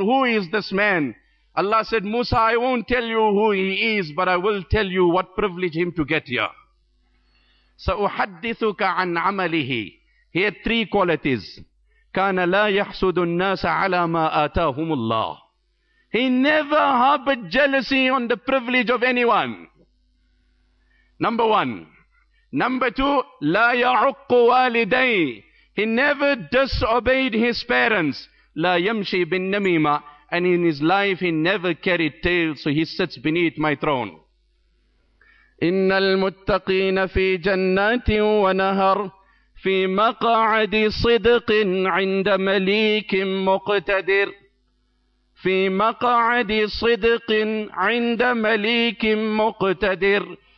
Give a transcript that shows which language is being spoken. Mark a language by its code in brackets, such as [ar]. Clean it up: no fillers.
[en] Who is this man? Allah said, Musa, I won't tell you who he is, but I will tell you what privilege him to get here. [ar] سَأُحَدِّثُكَ عَنْ عَمَلِهِ. [en] He had three qualities. [ar] كَانَ لَا يَحْسُدُ النَّاسَ عَلَى مَا آتَاهُمُ اللَّهِ. [en] He never harbored jealousy on the privilege of anyone. Number one. Number two, [ar] لَا يَعُقُّ وَالِدَيْهِ. [en] He never disobeyed his parents. [ar] لَا يَمْشِي بِالنَّمِيمَةِ. [en] And in his life, he never carried tails, so he sits beneath my throne. [ar] إِنَّ الْمُتَّقِينَ فِي جَنَّاتٍ وَنَهَرٍ فِي مَقَعَدِ صِدْقٍ عِنْدَ مَلِيكٍ مُقْتَدِرٍ فِي مَقَعَدِ صِدْقٍ عِنْدَ مَلِيكٍ مُقْتَدِرٍ.